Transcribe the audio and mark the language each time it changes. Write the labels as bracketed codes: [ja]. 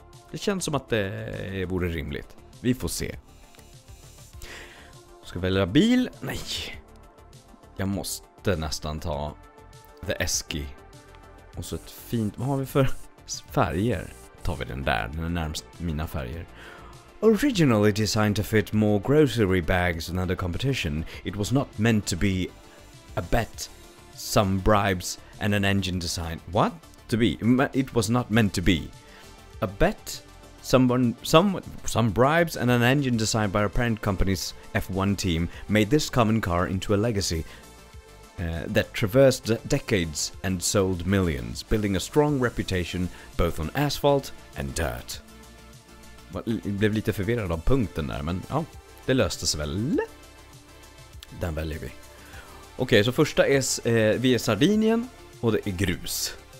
[sv] Det känns som att det vore rimligt. Vi får se. Ska välja bil? Nej. Jag måste nästan ta The Esky. Och så ett fint... Vad har vi för färger? Tar vi den där. Den är närmast mina färger. [en] Originally designed to fit more grocery bags than the competition, it was not meant to be a bet, some bribes and an engine design. What? To be? It was not meant to be. A bet... Some bribes and an engine designed by a parent company's F1 team made this common car into a legacy that traversed decades and sold millions, building a strong reputation both on asphalt and dirt. [sv] Jag blev lite förvirrad av punkten där, men ja, det löste sig väl. Den väljer vi. Okej, så första är vi är Sardinien och det är grus.